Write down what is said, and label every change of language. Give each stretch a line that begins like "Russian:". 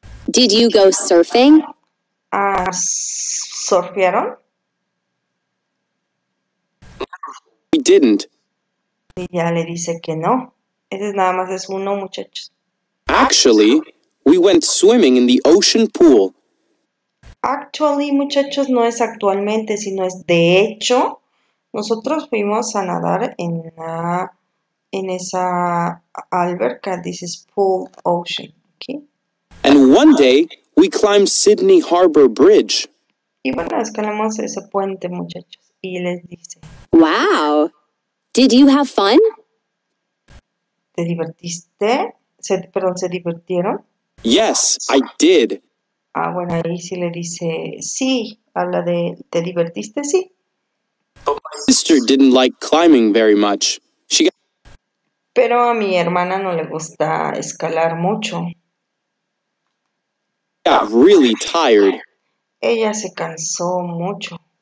English: Did you go surfing?
Spanish: ¿Surfearon?
English: We didn't.
Spanish: Y ya le dice que no. Ese nada más es uno, muchachos.
English: Actually, we went swimming in the ocean pool.
Spanish: Actually, muchachos, no es actualmente, sino es de hecho. Nosotros fuimos a nadar en esa alberca.
English: This is pool ocean. Okay? And one day, we climbed Sydney Harbour Bridge.
Spanish: Y bueno, escalamos ese puente, muchachos. Y les dice,
English: wow, did you have fun?
Spanish: ¿Te divertiste? ¿Se divirtieron?
English: Yes, I did.
Spanish: Ah, bueno, ahí sí le dice, sí, habla de, ¿te divertiste? Sí.
English: But my sister didn't like climbing very much. She got...
Spanish: Pero a mi hermana no le gusta escalar mucho.
English: Got really tired.
Spanish: Ella se cansó mucho.